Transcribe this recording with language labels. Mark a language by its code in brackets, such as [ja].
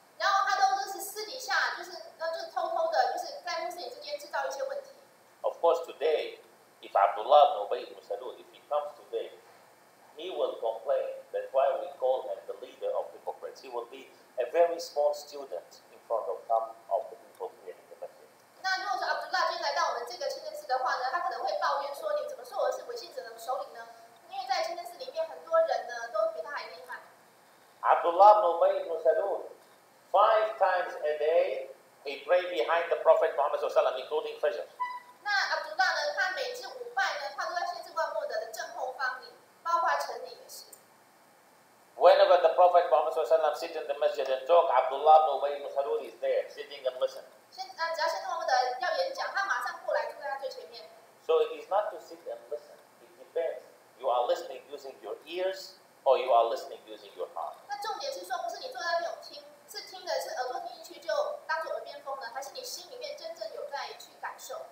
[zh] 然后他都是私底下，就是偷偷的，就是在穆斯林之间制造一些问题。 [en] Of course, today, if Abdullah ibn Ubay ibn Salul, if he comes today, he will complain. That's why we call him the leader of hypocrites. He will be a very small student in front of some of the people here. [zh] 那如果说 Abdullah 今天来到我们这个清真寺的话呢，他可能会抱怨说：“你怎么说我是伪信者的首领呢？” 因为在清真寺里面，很多人呢都比他还厉害。 [en] Abdullah ibn Ubay ibn Salul, five times a day he prayed behind the Prophet Muhammad [ar] صلى الله عليه وسلم, [en] including Fajr. [zh] 那 Abdullah 呢，他每次五拜呢，他都在先知穆罕默德的正后方里，包括城里也是。 [en] Whenever the Prophet Muhammad [ar] صلى الله عليه وسلم [en] sit in the masjid and talk, Abdullah ibn Ubay ibn Salul is there, sitting and listen. [zh] 只要先知穆罕默德要演讲，他马上过来，坐在他最前面。 [en] So it is not to sit and listen. It depends. You are listening using your ears, or you are listening using your heart. [zh] 那重点是说，不是你坐在那边听，是听的是耳朵听进去就当做耳边风呢，还是你心里面真正有在去感受